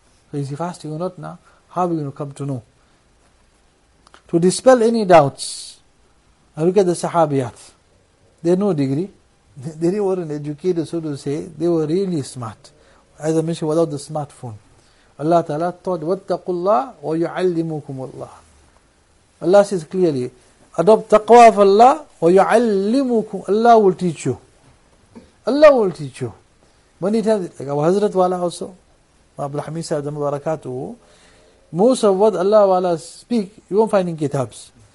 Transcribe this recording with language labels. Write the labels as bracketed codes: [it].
[en] So is he fasting or not now? How are we going to come to know? To dispel any doubts, I look at the sahabiyat. They had no degree. They weren't educated, so to say. They were really smart. As I mentioned, without the smartphone. Allah Ta'ala taught, [ar] وَاتَّقُوا اللَّهِ وَيُعَلِّمُكُمُ اللَّهِ. [en] Allah says clearly, adopt taqwa of Allah, وَيُعَلِّمُكُمْ. Allah will teach you. Allah will teach you. Many times, like our Hazrat Wala also, Abul Hamid Sahib Dhamma Barakatuhu, most of what Allah Wala speak, you won't find in kitabs.